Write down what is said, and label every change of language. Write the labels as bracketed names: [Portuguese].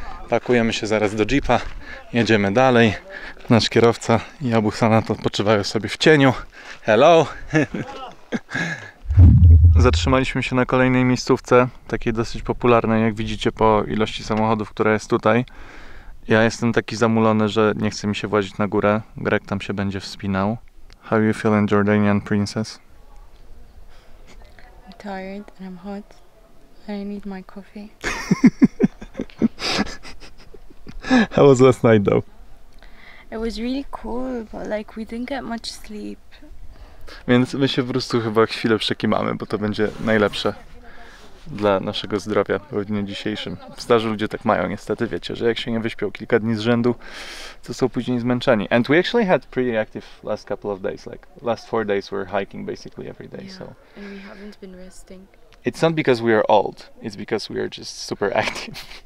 [Polish] Pakujemy się zaraz do jeepa, jedziemy dalej. Nasz kierowca i Abu Sanad odpoczywają sobie w cieniu. [English] Hello! [Polish] Zatrzymaliśmy się na kolejnej miejscówce, takiej dosyć popularnej, jak widzicie po ilości samochodów, która jest tutaj. Ja jestem taki zamulony, że nie chce mi się włazić na górę. Greg tam się będzie wspinał. [English] How you feeling, Jordanian princess? I'm tired and I'm hot. I need my coffee. How was last night though? It was really cool, but like we didn't get much sleep. [Polish] Więc my się po prostu chyba chwilę przekimamy, bo to będzie najlepsze dla naszego zdrowia w dniu dzisiejszym. Starzy ludzie tak mają, niestety wiecie, że jak się nie wyśpią kilka dni z rzędu, to są później zmęczeni. [English] And we actually had pretty active last couple of days, like last four days we're hiking basically every day, yeah, so. And we haven't been resting. It's not because we are old, it's because we are just super active.